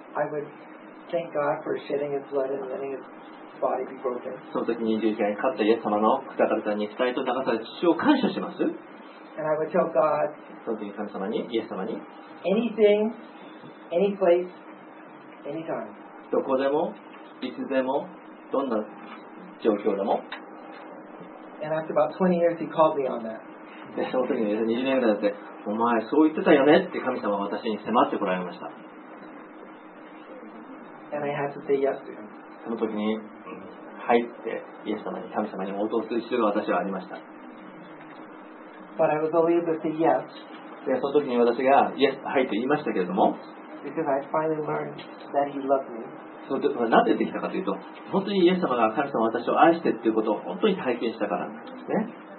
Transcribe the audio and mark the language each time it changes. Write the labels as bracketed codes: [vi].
[en] I would thank God for shedding His blood and letting His body be broken. [ja] その時に十字架にかかったイエス様の砕かれた肉体と流された血を感謝します。 [en] And I would tell God, [ja] その時に神様に、イエス様に、 [en] Anything, any place, any time. [ja] どこでも、いつでも、どんな状況でも、 [en] And after about 20 years, he called me on that. [ja] でその時に20年ぐらい経って、お前そう言ってたよねって神様は私に迫ってこられました。 [en] And I had to say yes to him. [ja] その時に入ってイエス様に神様に応答する必要が私はありました。 [en] But I was able to say yes. [ja] でその時に私がイエス入って言いましたけれども、 [en] Because I finally learned that he loved me. [ja] なぜできたかというと、本当にイエス様が神様は私を愛してということを本当に体験したからなんですね。